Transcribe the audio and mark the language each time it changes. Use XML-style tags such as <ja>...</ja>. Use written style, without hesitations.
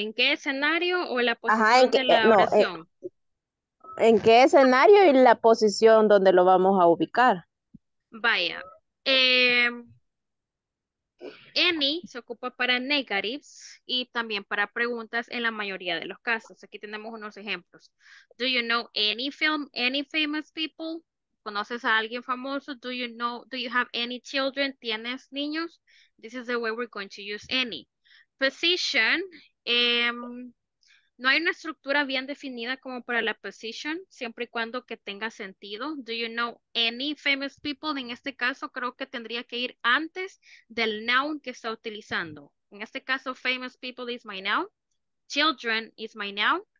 <es>¿En qué escenario o la posición ajá, en qué, de la oración? ¿En qué escenario y la posición donde lo vamos a ubicar? Vaya. Any se ocupa para negatives y también para preguntas en la mayoría de los casos. Aquí tenemos unos ejemplos.</es> <en>Do you know any film, any famous people?</en> <es>¿Conoces a alguien famoso?</es> <en>Do you have any children?</en> <es>¿Tienes niños?</es> <en>This is the way we're going to use any. Position.</en> <es>No hay una estructura bien definida como para la position, siempre y cuando que tenga sentido.</es> <en>Do you know any famous people?</en> <es>En este caso, creo que tendría que ir antes del noun que está utilizando. En este caso,</es> <en>famous people is my noun.</en> <es>Children is my noun.</es>